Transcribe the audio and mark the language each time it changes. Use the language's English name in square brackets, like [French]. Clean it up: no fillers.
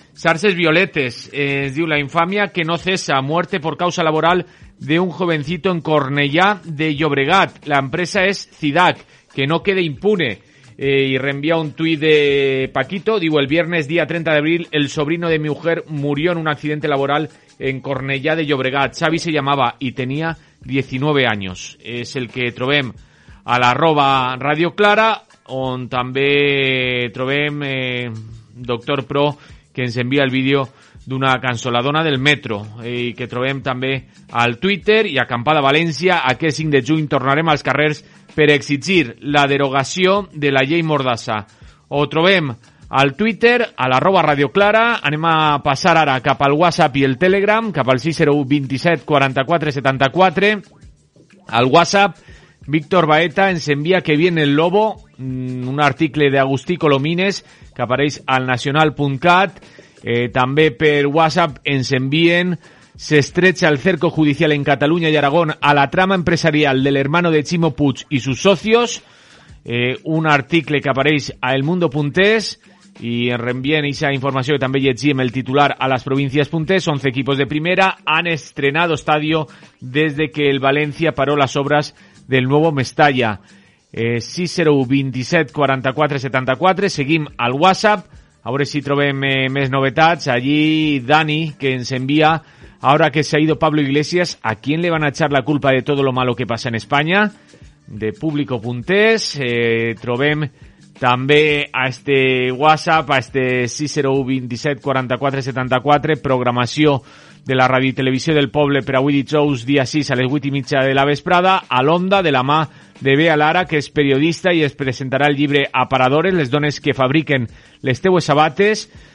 [Spanish] Sarses Violetes diu: la infamia que no cesa, muerte por causa laboral de un jovencito en Cornellà de Llobregat, la empresa es CIDAC, que no quede impune. Y reenvía un tuit de Paquito, digo: el viernes día 30 de abril el sobrino de mi mujer murió en un accidente laboral en Cornellà de Llobregat, Xavi se llamaba y tenía 19 años. [Catalan] És el que trobem a l'arroba Radio Clara, on també trobem Doctor Pro, que ens envia el vídeo d'una cansoladona del metro, i que trobem també al Twitter i Acampada València: aquest 5 de juny tornarem als carrers per exigir la derogació de la llei Mordassa. Ho trobem al Twitter, a l'arroba Radio Clara. Anem a passar ara cap al WhatsApp i el Telegram, cap al 601-27-44-74. Al WhatsApp, Víctor Baeta ens envia Que viene el lobo, un article d'Agustí Colomines, que apareix al nacional.cat. També per WhatsApp ens envien: [Spanish] se estrecha el cerco judicial en Cataluña y Aragón a la trama empresarial del hermano de Ximo Puig y sus socios. [Catalan] Un article que apareix a elmundo.es. i en reenvien aquesta informació que també llegim el titular a les províncies punters. [Spanish] 11 equipos de primera han estrenado estadio desde que el València paró las obras del nuevo Mestalla. [Catalan] 601-27-44-74, seguim al WhatsApp. A veure si trobem més novetats. Allí Dani, que ens envia: [Spanish] ahora que se ha ido Pablo Iglesias, ¿a quién le van a echar la culpa de todo lo malo que pasa en España? De público puntés. [Catalan] Trobem també a este WhatsApp, a este 601-27-44-74, programació de la ràdio i televisió del poble per avui dijous, dia 6, a les 8 i mitja de la vesprada, a l'Onda, de la mà de Bea Lara, que és periodista i es presentarà el llibre Aparadores, les dones que fabriquen les teues sabates.